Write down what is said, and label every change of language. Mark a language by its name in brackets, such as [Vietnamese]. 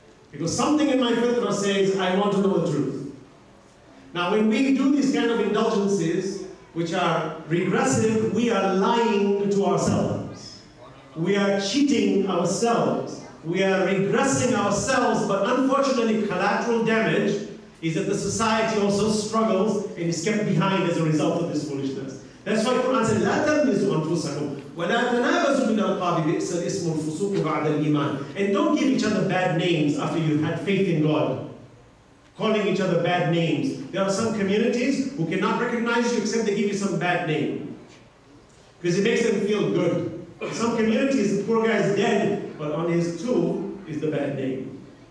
[English] Because something in my fitrah says, I want to know the truth. Now when we do these kind of indulgences, which are regressive, we are lying to ourselves. We are cheating ourselves. We are regressing ourselves, but unfortunately collateral damage is that the society also struggles and is kept behind as a result of this foolishness. That's why Quran says, [Arabic] لَا تَلْمِزُوا أَنفُسَكُمْ وَلَا تَنَابَزُوا مِنَ الْقَابِ بِئْسَ الْإِسْمُ الْفُسُوقُ بَعْدَ الْإِيمَانِ. [English] And don't give each other bad names after you've had faith in God. Calling each other bad names. There are some communities who cannot recognize you except they give you some bad name. Because it makes them feel good. Some communities, the poor guy is dead, but on his tomb is the bad name.